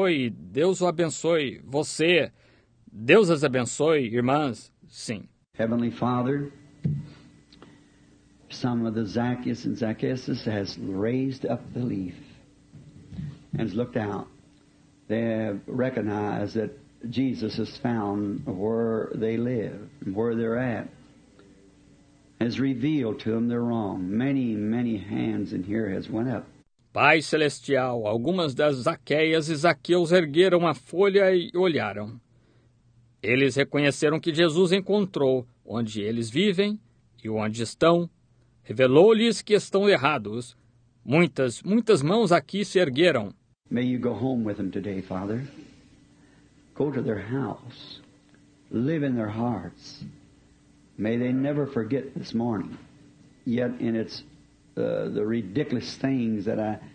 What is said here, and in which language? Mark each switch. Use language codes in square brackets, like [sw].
[pt] Deus o abençoe você. Deus as abençoe, irmãs, sim. [en] Heavenly Father, some of the Zacchaeus and Zacchaeuses has raised up the leaf and has looked out. They have recognized that Jesus has found where they live, where they're at, has revealed to them they're wrong. Many, many hands in here has went up. [pt] Pai Celestial, algumas das Zaqueias e Zaqueus ergueram a folha e olharam. Eles reconheceram que Jesus encontrou onde eles vivem e onde estão. Revelou-lhes que estão errados. Muitas, muitas mãos aqui se ergueram. [en] May you go home with them today, Father. Go to their house. Live in their hearts. May they never forget this morning. Yet in its the ridiculous things that I...